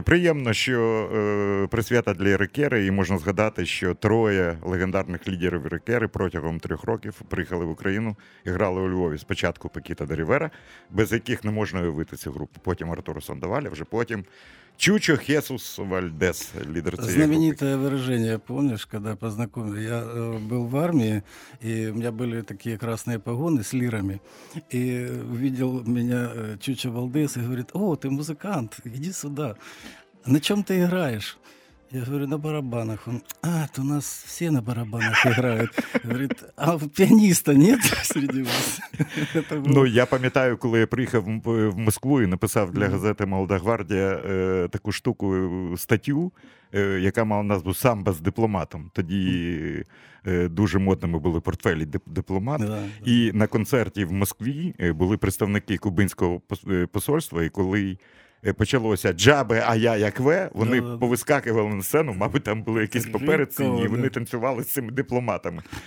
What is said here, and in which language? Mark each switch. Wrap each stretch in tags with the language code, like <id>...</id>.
<uk>Приємно, що присвята для Ірокери, і можна згадати, що троє легендарних лідерів Ірокери протягом 3 років приїхали в Україну і грали у Львові. Спочатку Пекіта де Рівера, без яких не можна уявити цю групу. Потім Артуро Сандоваль, вже потім Чучо Хесус Вальдес, лідер цієї групи.</uk> <ru>Знаменитое выражение, помнишь, когда познакомился? Я был в армии, и у меня были такие красные погоны с лирами. И увидел меня Чучо Вальдес и говорит: «О, ты музыкант, иди сюда. На чем ты играешь?» Я говорю: «На барабанах». Он: «А, то у нас все на барабанах играют». Говорит: «А пианиста нет среди вас?»</ru> <uk>Ну, я пам'ятаю, коли я приїхав в Москву і написав для газети «Молода гвардія» таку штуку, статтю, яка мала назву «Самба з дипломатом». Тоді дуже модними були портфелі «Дипломат». Да, і да. На концерті в Москві були представники кубинського посольства, і коли почалося «Джабе, а я як ве», вони повискакували на сцену, мабуть, там були якісь папери цінні, і вони танцювали з цими дипломатами.</uk>